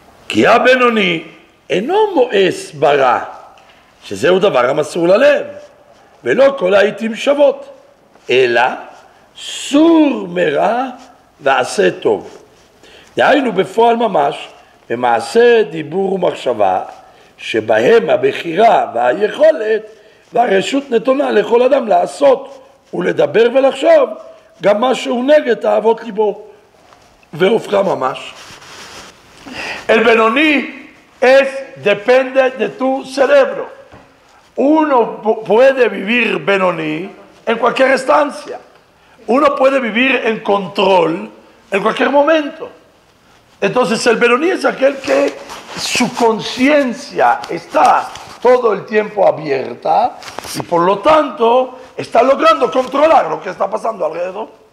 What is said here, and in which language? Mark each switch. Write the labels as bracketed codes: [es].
[he] כי הבינוני אינו מואס ברע, שזהו דבר המסור ללב, ולא כל העיתים שוות, אלא Sur mera ועשה טוב. דהיינו בפועל ממש, במעשה דיבור ומחשבה, שבהם הבחירה והיכולת והרשות נתונה לכל אדם לעשות ולדבר ולחשוב גם משהו נגד אהבות ליבו והופכה ממש. [es] El Benoní es depende de tu cerebro. Uno puede vivir Benoní en cualquier instancia. Uno puede vivir en control en cualquier momento. Entonces el Benoní es aquel que su conciencia está todo el tiempo abierta y por lo tanto está logrando controlar lo que está pasando alrededor.